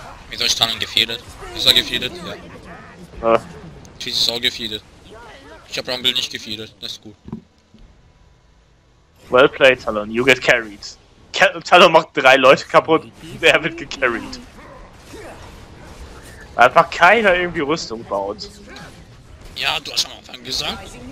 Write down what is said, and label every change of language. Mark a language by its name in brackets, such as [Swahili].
[German] Wie soll ich Talon gefeedet? Ist er gefeedet? Ja. Twitch ist auch gefeedet. Ich hab Rumble nicht gefeedet, das ist gut. [English] Well played, Talon, you get carried. [German] Talon macht 3 Leute kaputt, der wird gecarried. Weil einfach keiner irgendwie Rüstung baut. Ja, du hast am Anfang gesagt.